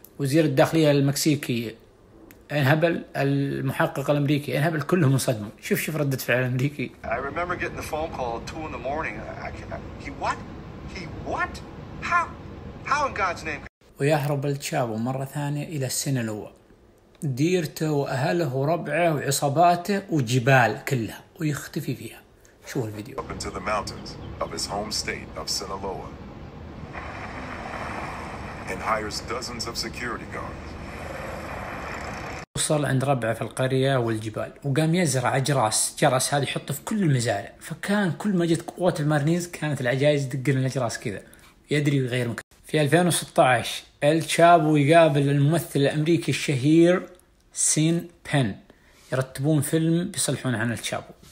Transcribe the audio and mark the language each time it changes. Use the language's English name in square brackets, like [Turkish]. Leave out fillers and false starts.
[Arabic] وزير الداخلية المكسيكي انهبل، المحقق الامريكي انهبل، كلهم انصدموا. شوف شوف ردة فعل الامريكي. [English] I remember getting the phone call at 2 in the morning. He what? How in God's name? [Arabic] ويهرب التشابو مرة ثانية إلى سينالوا. ديرته وأهله وربعه وعصاباته وجبال كلها ويختفي فيها. شوف الفيديو. [English] Up into the mountains of his home state of Sinaloa. And hires dozens of security guards. [Arabic] وصل عند ربعه في القرية والجبال وقام يزرع أجراس، جرس هذا يحطه في كل المزارع، فكان كل ما جت قوات المارنيز كانت العجائز تدق لنا الأجراس كذا يدري ويغير مكان. في 2016 التشابو يقابل الممثل الأمريكي الشهير سين بن، يرتبون فيلم بيصلحون عن التشابو.